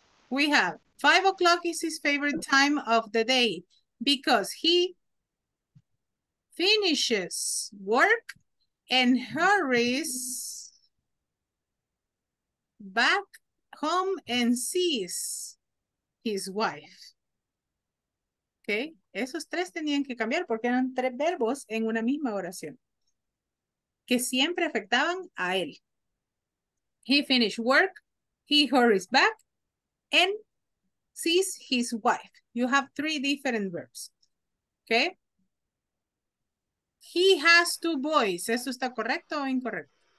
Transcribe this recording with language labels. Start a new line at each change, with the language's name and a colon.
English: We have 5 o'clock is his favorite time of the day because he finishes work and hurries back home and sees his wife.
Spanish: Okay, esos tres tenían que cambiar porque eran tres verbos en una misma oración que siempre afectaban a él.
English: He finished work, he hurries back, and sees his wife. You have three different verbs. Okay? He has two boys.
Spanish: ¿Eso está correcto o incorrecto?